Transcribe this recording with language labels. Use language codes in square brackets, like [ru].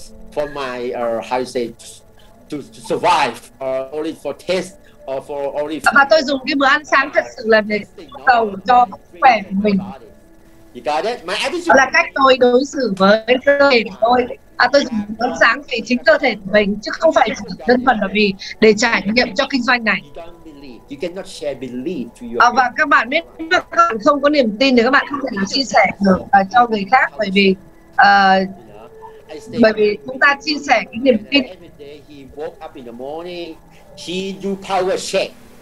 [en] For my how you say to survive or only for taste or for only for... [vi] Và tôi dùng cái bữa ăn sáng thật sự là để cầu cho khỏe của mình. [en] You got it? My attitude... [vi] là cách tôi đối xử với cơ thể của tôi. Tôi dùng bữa ăn sáng vì chính cơ thể của mình chứ không phải chỉ đơn thuần là vì để trải nghiệm cho kinh doanh này. [en] You cannot share belief to your... [vi] và các bạn biết, các bạn không có niềm tin thì các bạn không thể chia sẻ được cho người khác, bởi vì chúng ta chia sẻ cái niềm tin. [en] He woke up in the morning, he do power shake.